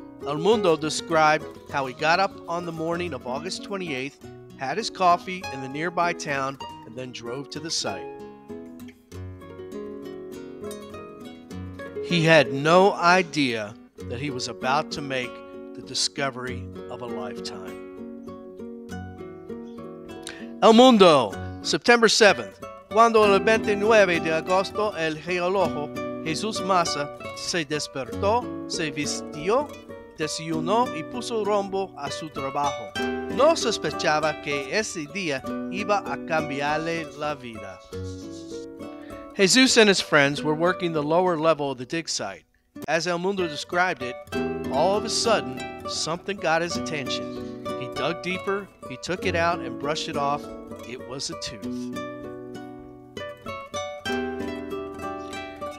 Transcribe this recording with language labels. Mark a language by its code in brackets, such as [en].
[en] El Mundo described how he got up on the morning of August 28th, had his coffee in the nearby town, and then drove to the site. He had no idea that he was about to make the discovery of a lifetime. El Mundo, September 7th. [es] Cuando el 29 de agosto el geólogo Jesús Masa se despertó, se vistió, desayunó y puso rumbo a su trabajo. No sospechaba que ese día iba a cambiarle la vida. [en] Jesús and his friends were working the lower level of the dig site. As El Mundo described it, all of a sudden, something got his attention. He dug deeper, he took it out and brushed it off. It was a tooth.